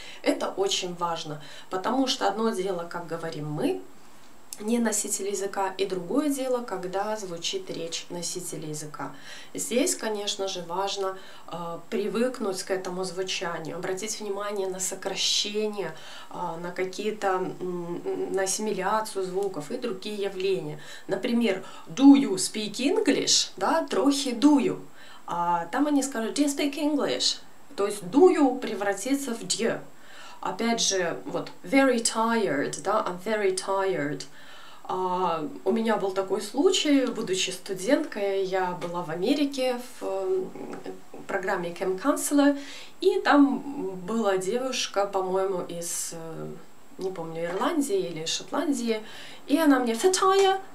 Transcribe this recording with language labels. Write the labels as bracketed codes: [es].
[ru] Это очень важно, потому что одно дело, как говорим мы, не носители языка, и другое дело, когда звучит речь носителя языка. Здесь, конечно же, важно привыкнуть к этому звучанию, обратить внимание на сокращение, на какие-то, на ассимиляцию звуков и другие явления. Например, [en] do you speak English? [ru] Да, трохи [en] do you. [ru] А там они скажут, [en] do you speak English? [ru] То есть [en] do you [ru] превратится в [en] do. [ru] Опять же, вот [en] very tired, [ru] да, [en] I'm very tired. [ru] У меня был такой случай, будучи студенткой, я была в Америке в программе Camp Counselor, и там была девушка, по-моему, из, не помню, Ирландии или Шотландии, и она мне «Fataya!